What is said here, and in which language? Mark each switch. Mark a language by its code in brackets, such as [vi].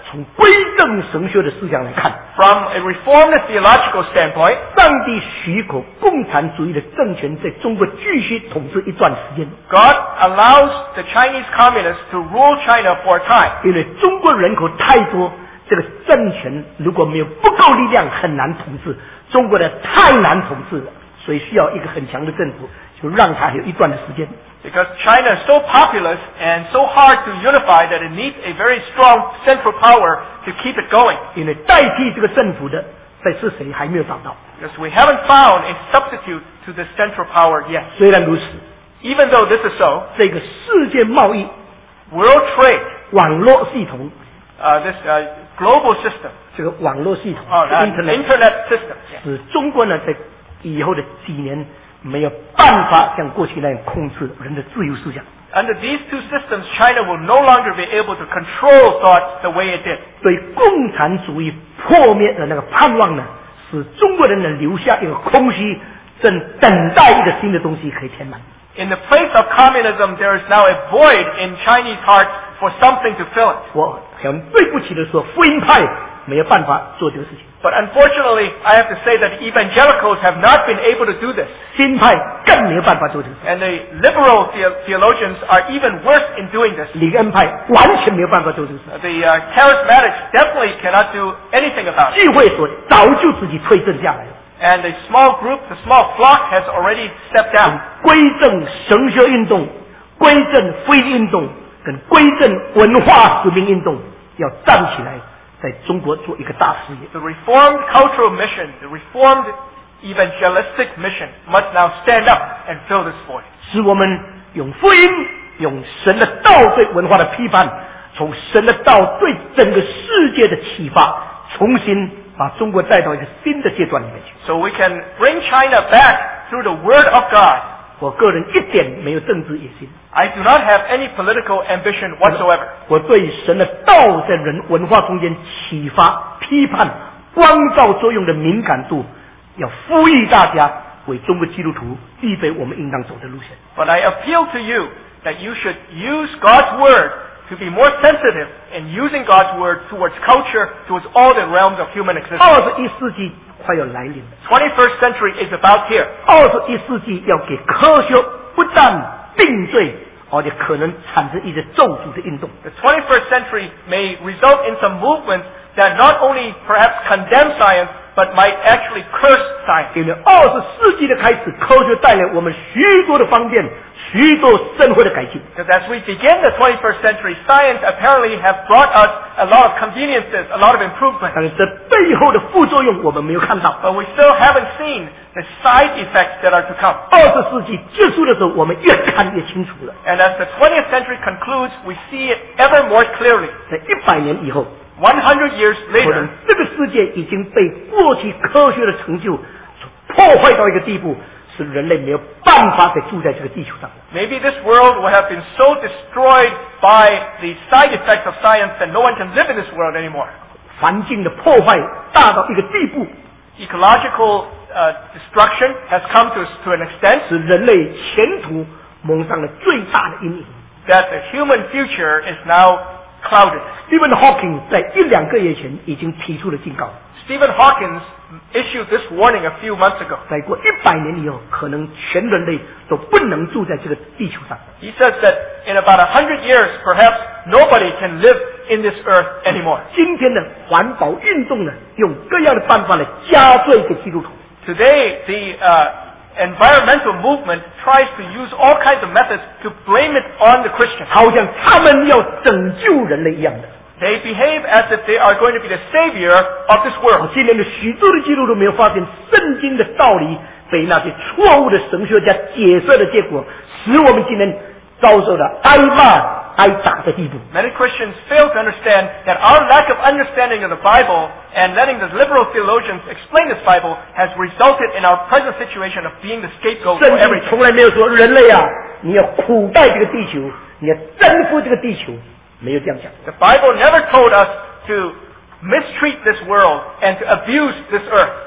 [zh] 从归正神学的思想来看 [en] ，from a reformed theological standpoint， [zh] 上帝许可共产主义的政权在中国继续统治一段时间。 [en] God allows the Chinese communists to rule China for a time， [zh] 因为中国人口太多。这个政权如果没有不够力量，很难统治。中国的太难统治了，所以需要一个很强的政府，就让它有一段的时间。 [en] Because China is so populous and so hard to unify that it needs a very strong central power to keep it going. [zh] 因为代替这个政府的，在是谁还没有找到。 [en] Because we haven't found a substitute to the central power yet. [zh] 虽然如此 [en] ，Even though this is so， [zh] 这个世界贸易 [en] ，World Trade [zh] 网络系统。 [en] Global system， [zh] 这个网络系统、 [en] Internet system， [zh] 使中国呢在以后的几年没有办法像过去那样控制人的自由思想。 [en] Under these two systems， China will no longer be able to control thought the way it did。 [zh] 对共产主义破灭的那个盼望呢，使中国人呢留下一个空虚，正等待一个新的东西可以填满。 [en] In the place of communism， there is now a void in Chinese hearts for something to fill it。 [zh] 很对不起的说，福音派没有办法做这个事情。 [en] But unfortunately, I have to say that evangelicals have not been able to do this. [zh] 新派更没有办法做这个事。 [en] And the liberal theologians are even worse in doing this. [zh] 李恩派完全没有办法做这个事。 [en] The charismatics definitely cannot do anything about it. [zh] 聚会所早就自己退阵下来了。 [en] And the small group, the small flock has already stepped down. [zh] 归正神学运动，归正福音运动。跟归正文化使命运动要站起来，在中国做一个大事业。 [en] The reformed cultural mission, the reformed evangelistic mission must now stand up and fill this void. [zh] 使我们用福音，用神的道对文化的批判，从神的道对整个世界的启发，重新把中国带到一个新的阶段里面去。 [en] So we can bring China back through the word of God. [zh] 我个人一点没有政治野心。 [en] I do not have any political ambition whatsoever. [zh] 我对神的道在人文化中间启发、批判、光照作用的敏感度，要呼吁大家为中国基督徒预备我们应当走的路线。 [en] But I appeal to you that you should use God's word to be more sensitive in using God's word towards culture, towards all the realms of human existence. [zh] 二十一世纪快要来临了。 [en] 21st century is about here. [zh] 二十一世纪要给科学不但定罪，而且可能产生一些咒诅的运动。 [en] The 21st century may result in some movements that not only perhaps condemn science, but might actually curse science. [zh] 因为二十世纪的开始，科学带来我们许多的方便，许多生活的改进。 [en] Because as we begin the 21st century, science apparently have brought us a lot of conveniences, a lot of improvements. [zh] 但是这背后的副作用我们没有看到。 [en] But we still haven't seen the side effects that are to come. [zh] 二十世纪结束的时候，我们越看越清楚了。 [en] And as the 20th century concludes, we see it ever more clearly. [zh] 在一百年以后 [en] ，100 years later， [zh] 可能这个世界已经被过去科学的成就破坏到一个地步。人类没有办法再住在这个地球上。 [en] Maybe this world will have been so destroyed by the side effects of science that no one can live in this world anymore. [zh] 环境的破坏大到一个地步。 [en] Ecological destruction has come to an extent. [zh] 使人类前途蒙上了最大的阴影。 [en] That the human future is now clouded. [zh] Stephen Hawking 在一两个月前已经提出了警告。 [en] Stephen Hawking issued this warning a few months ago. [zh] 再过一百年以后，可能全人类都不能住在这个地球上。 [en] He says that in about 100 years, perhaps nobody can live in this earth anymore. [zh] 今天的环保运动呢，用各样的办法来加罪给基督徒。 [en] Today, the environmental movement tries to use all kinds of methods to blame it on the Christians. [zh] 好像他们要拯救人类一样的。 [en] They behave as if they are going to be the savior of this world. [zh] 今天的许多的基督徒没有发现圣经的道理被那些错误的神学家解释的结果，使我们今天遭受的挨骂。 [en] Many Christians fail to understand that our lack of understanding of the Bible and letting the liberal theologians explain this Bible has resulted in our present situation of being the scapegoat for everything. [zh] 圣经从来没有说人类啊，你要苦待这个地球，你要征服这个地球，没有这样讲。 [en] The Bible never told us to mistreat this world and to abuse this earth.